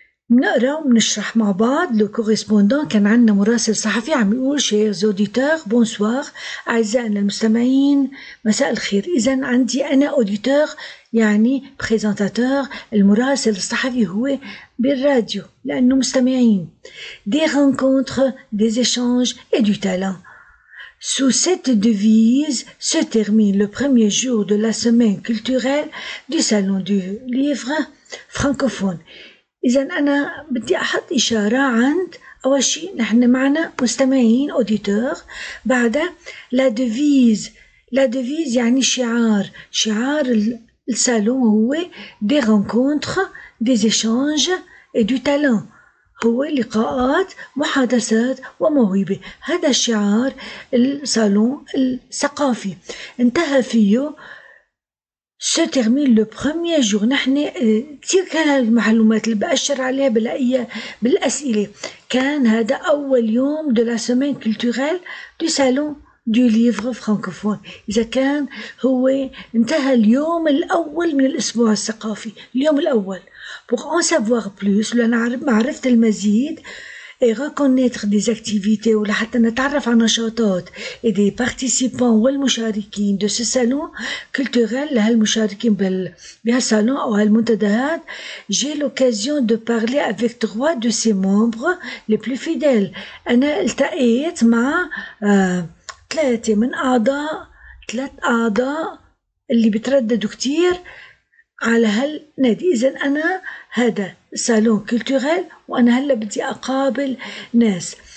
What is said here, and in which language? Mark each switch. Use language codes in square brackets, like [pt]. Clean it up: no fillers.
[ar] نقرأ ونشرح مع بعض. لو كوريسبوندون كان عندنا مراسل صحفي عم يقول [fr] شير زوديتور بونسوار، [ar] أعزائنا المستمعين مساء الخير. إذا عندي أنا أوديتور يعني بريزنتاتور، المراسل الصحفي هو بالراديو لأنه مستمعين. [fr] دي رنكونتر دي إشانج إي دو تالون. Sous cette devise se termine le premier jour de la semaine culturelle du salon du livre francophone. [ar] إذن أنا بدي أحط إشارة عند أول شيء نحن معنا مستمعين auditeur. بعد la devise يعني شعار السالون هو [fr] des rencontres, des échanges et du talent. [ar] هو لقاءات محادثات وموهبة. هذا شعار الصالون الثقافي. انتهى فيه [fr] se termine le premier jour. [ar] نحن كثير كان المعلومات اللي بأشر عليها بلاقيها بالأسئلة. كان هذا أول يوم [fr] de la semaine culturelle du salon du livre francophone. [ar] إذا كان هو انتهى اليوم الأول من الأسبوع الثقافي، اليوم الأول. [fr] Pour en savoir plus, [ar] معرفة المزيد [fr] et reconnaître des activités ou [ar] حتى نتعرف على نشاطات [fr] et des participants [ar] والمشاركين [fr] de ce salon culturel [ar] لهالمشاركين بهالصالون أو هالمنتدهات. [fr] J'ai l'occasion de parler avec trois de ses membres les plus fidèles. [ar] أنا التقيت مع ثلاثة من أعضاء، ثلاث أعضاء اللي بترددوا كتير على هالنادي. إذن أنا هذا سالون كولتوريل وأنا هلا بدي أقابل ناس.